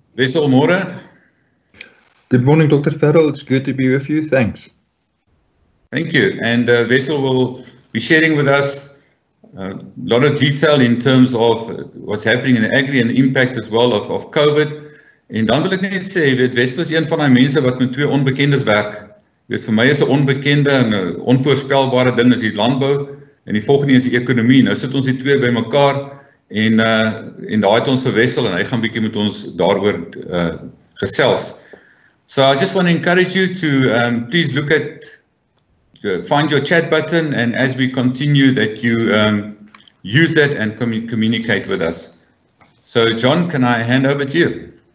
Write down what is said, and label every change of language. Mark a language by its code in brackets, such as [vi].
[af] Wessel, Mora. [en] Good morning, Dr. Farrell. It's good to be with you. Thanks. Thank you. And Wessel will be sharing with us a lot of detail in terms of what's happening in the agri and the impact as well of COVID. [af] En dan wil ek net sê, weet, Wessel is een van die mense wat met twee onbekendes werk. Weet, vir my is 'n onbekende en 'n onvoorspelbare ding is die landbou, en die volgende is die ekonomie. Nou sit ons die twee by mekaar, en daar het ons vir Wessel, en hy gaan bietjie met ons daaroor gesels. [en] So I just want to encourage you to please look at find your chat button, and as we continue that you use it and communicate with us. So John, can I hand over to you?